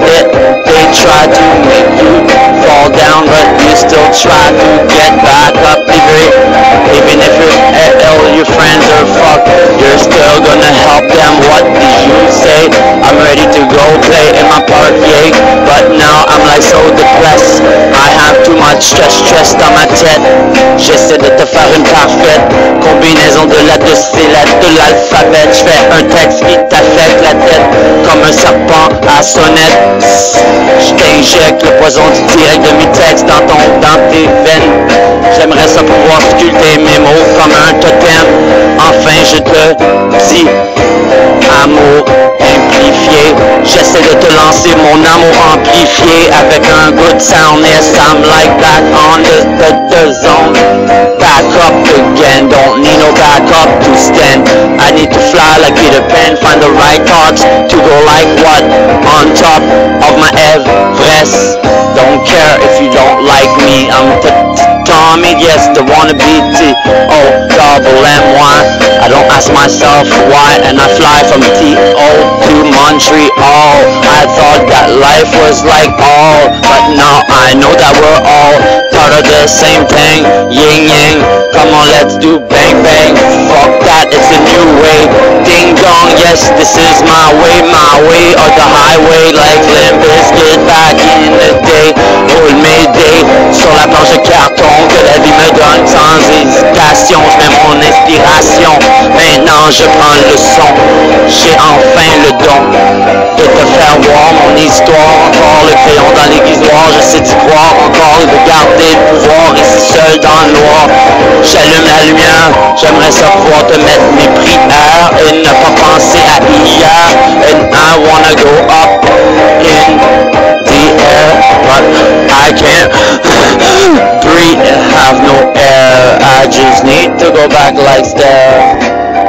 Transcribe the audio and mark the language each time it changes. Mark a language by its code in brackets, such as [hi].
[en] They try to make you fall down, but you still try to get back up. Even if all your friends are fucked, you're still gonna help them. What did you say? I'm ready to go play in my park, yay. But now I'm like so depressed, I have too much stress, stress [fr] dans ma tête. J'essaie de te faire une parfaite combinaison de la deux lettres de l'alphabet. J'fais un texte qui t'affecte la tête comme un serpent à sonnette. J't'injecte le poison du direct de mes textes dans tes veines. J'aimerais ça pouvoir sculpter mes mots comme un totem. Enfin je te dis amour amplifié. J'essaie de te lancer mon amour amplifié avec un [en] good sound. Yes, I'm like back on the zone. Back up again, don't need no backup to stand. I need to fly like Peter Pan, find the right thoughts to go like what? On top of my Everest. Don't care if you don't like me, I'm the Tommy, yes, the wannabe T-O-double-M-Y. I don't ask myself why, and I fly from T-O to Montreal. I thought that life was like all, but now I know that we're all part of the same thing. Yin yang, come on, let's do bang bang. Fuck that, it's a new way. Ding dong, yes, this is my way or the highway. Like Limp Bizkit back in the day, old May Day. [fr] Sur la planche de carton que la vie me donne sans hésitation. J'mets mon inspiration, maintenant je prends le son. J'ai enfin le don de te faire voir mon histoire. Encore le crayon dans l'aiguisoir, j'essaie d'y croire. Encore de garder le pouvoir ici seul dans le noir. J'allume la lumière, j'aimerais ça pouvoir te mettre mes prières et ne pas penser à hier. [en] And I wanna go up in the air, but I can't breathe and have no air. I just need to go back like stairs.